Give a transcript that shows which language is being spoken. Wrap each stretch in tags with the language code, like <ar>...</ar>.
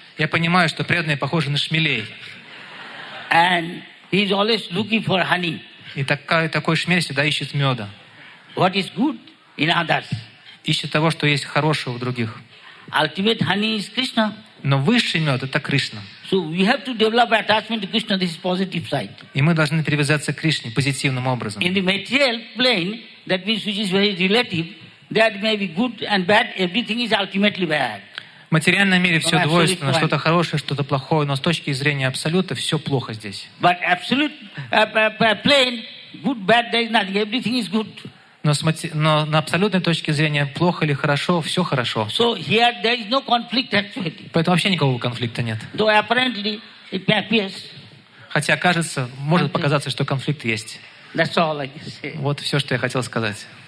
<ru>Я понимаю, что преданные похожи на шмелей.</ru> <en>And he's always looking for honey.</en> <ru>И такой шмель всегда ищет меда.</ru> <en>What is good in others?</en> <ru>Ищет того, что есть хорошего в других.</ru> <en>Ultimate honey is Krishna.</en> <ru>Но высший мед — это Кришна.</ru> <en>So we have to develop attachment to Krishna. This is positive side.</en> <ru>И мы должны привязаться к Кришне позитивным образом.</ru> <en>In the material plane, that means which is very relative, that may be good and bad. Everything is ultimately bad.</en> <ru>В материальном мире все двойственно, что-то хорошее, что-то плохое, но с точки зрения абсолюта все плохо здесь.</ru> <en>But absolute plane, good, bad, there is nothing. Everything is good.</en> <ru>Но на абсолютной точке зрения плохо или хорошо, все хорошо.</ru> <en>So here there is no conflict actually.</en> <ru>Поэтому вообще никакого конфликта нет.</ru> <en>Though apparently it appears.</en> <ru>Хотя кажется, может показаться, что конфликт есть.</ru> <en>That's all I can say.</en> <ru>Вот все, что я хотел сказать.</ru>